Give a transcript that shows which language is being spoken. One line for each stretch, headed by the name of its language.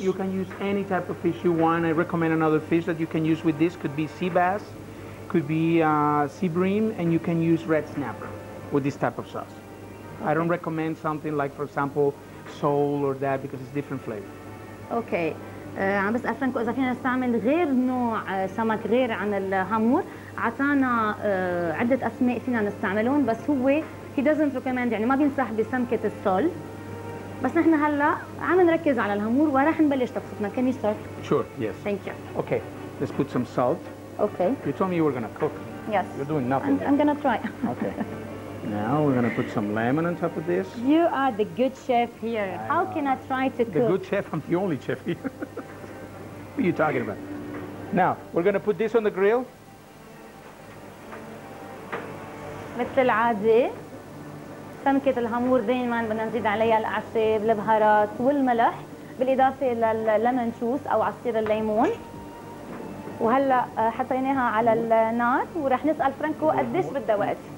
English: You can use any type of fish you want. I recommend another fish that you can use with this. Could be sea bass, could be sea bream, and you can use red snapper with this type of sauce. Okay. I don't recommend something like, for example, sole or that, because it's different flavor. Okay.
Arabic: عم بسأل فرانكو إذا فينا نستعمل غير نوع سمك غير عن الهامور. عطانا عدة أسماء فينا نستعملهم، بس هو
English: he doesn't recommend،
Arabic: يعني ما بينصح بسمكة السول. بس نحن هلا عم نركز على الهامور وراح نبلش طبختنا.
English: Can you start? Sure, yes. Thank you. Okay, let's put some salt. Okay. You told me you were going to cook. Yes. You're doing nothing. I'm going to try. Okay. Now we're going to put some lemon on top of this. You are the good chef here. How can I try to cook? The good chef? I'm the only chef here. What are you talking about? Now, we're going to put this on the grill.
Arabic: مثل العادة سمكة الهامور دائما بدنا نزيد عليها الأعشاب، البهارات والملح، بالإضافة للليمون جوس أو عصير الليمون. وهلا حطيناها على النار وراح نسأل فرانكو قديش بدها وقت.